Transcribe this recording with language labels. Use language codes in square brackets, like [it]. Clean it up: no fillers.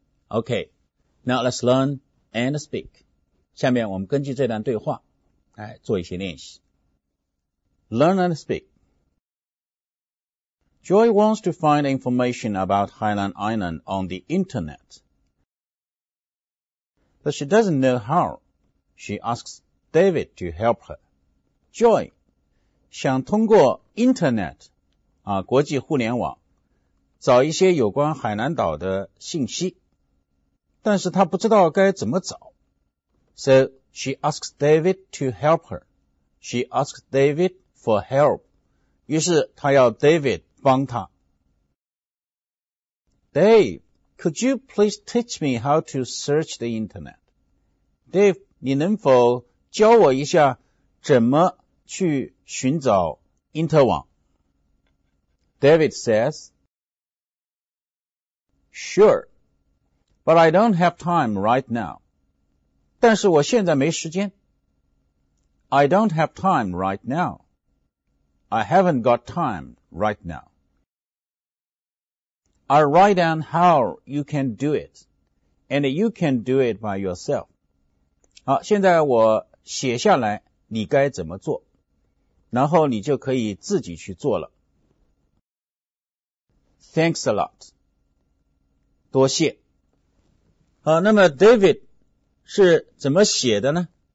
[en] Okay, now let's learn and speak. [zh] 下面我们根据这段对话来做一些练习。 [en] Learn and speak. Joy wants to find information about Hainan Island on the internet. But she doesn't know how. She asks David to help her. [zh] Joy 想通过 internet, 啊，国际互联网找一些有关海南岛的信息，但是她不知道该怎么找。 [en] So She asks David to help her. She asks David for help. [zh] 于是她要 David 帮她。 [en] Dave, could you please teach me how to search the internet? [zh] Dave, 你能否教我一下怎么去寻找因特网? [en] David says, Sure, but I don't have time right now. [zh] 但是我现在没时间。 [en] I don't have time right now. I haven't got time right now. I'll write down how you can do it, and you can do it by yourself. [zh] 好，现在我写下来你该怎么做，然后你就可以自己去做了。 [en] Thanks a lot. [zh] 多谢。好，那么 David 是怎么写的呢？